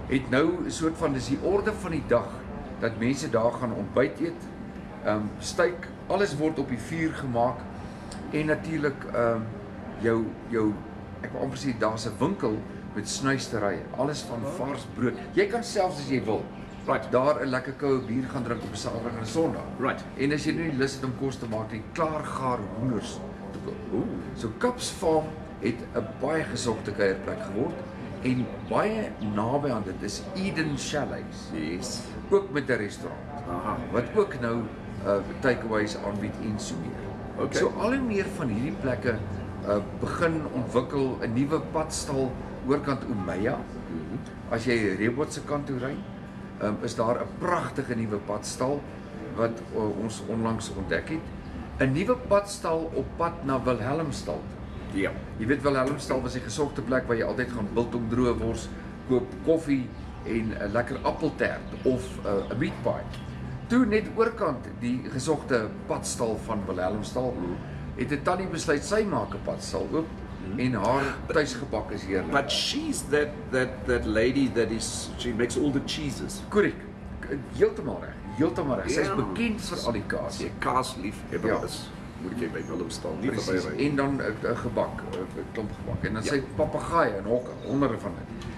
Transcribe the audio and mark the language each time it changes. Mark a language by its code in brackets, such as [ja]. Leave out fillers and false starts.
[af] Het nou een soort van, dis die orde van die dag, dat mense daar gaan ontbyt eet, steak, alles word op die vuur gemaak, en natuurlijk jou, ek wil amper sê, daar is een winkel met snuisterye, alles van vars brood. Jy kan selfs as jy wil, [en] right. [af] daar een lekker koue bier gaan drink op Saterdag en Sondag. [en] Right. [af] En as jy nou nie lus het om kos te maak, die klaargaar hoenders. So Kaps Farm het 'n baie gesogte kuierplek geword en baie naby aan dit is Eden Chalets. [en] Yes. [af] Ook met 'n restaurant. Aha. Wat ook nou takeaways aanbied en so meer. [en] Okay. [af] So al en meer van hierdie plekke begin ontwikkel 'n nuwe padstal oorkant Omeya. As jy Rehoboth se kant toe ry, is daar 'n pragtige nuwe padstal wat ons onlangs ontdek het. 'N nuwe padstal op pad na Wilhelmstal. Ja. Jy weet Wilhelmstal was die gesogte plek waar jy altyd gaan biltong droë wors, koop koffie en 'n lekker appeltert of 'n meat pie. Toe net oorkant die gesogte padstal van Wilhelmstal, het 'n tannie besluit sy maak 'n padstal oop en haar tuisgebak is heerlik. [en] But she's that lady that is she makes all the cheeses. [af] Korrek. Heeltemal reg. Heeltemal reg. Sy is bekend vir al die kaas. Sy kaas liefhebber is. Moet jy by Wilhelmstal nie verby ry. En dan 'n gebak, 'n klomp gebak en dan sy papegaaie en hokke, honderde van dit.